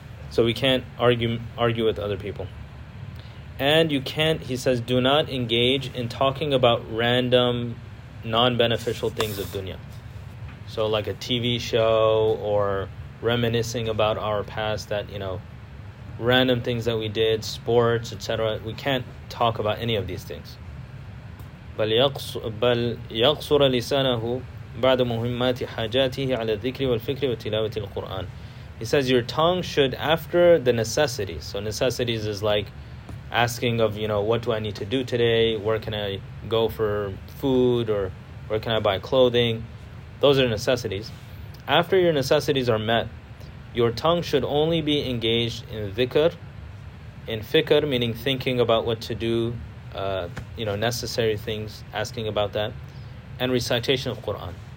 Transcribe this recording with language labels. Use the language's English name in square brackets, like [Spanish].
[English] So we can't argue with other people. And you can't, he says, do not engage in talking about random, non-beneficial things of dunya. So like a TV show or reminiscing about our past that, you know, random things that we did, sports, etc. We can't talk about any of these things. [Arabic] بل يقصر لسانه بعد مهمات حاجاته على الذكر والفكر وتلاوة القرآن. [English] He says your tongue should, after the necessities. So necessities is like asking of, you know, what do I need to do today? Where can I go for food? Or where can I buy clothing? Those are necessities. After your necessities are met, your tongue should only be engaged in dhikr, in fikr, meaning thinking about what to do, you know, necessary things, asking about that, and recitation of Quran.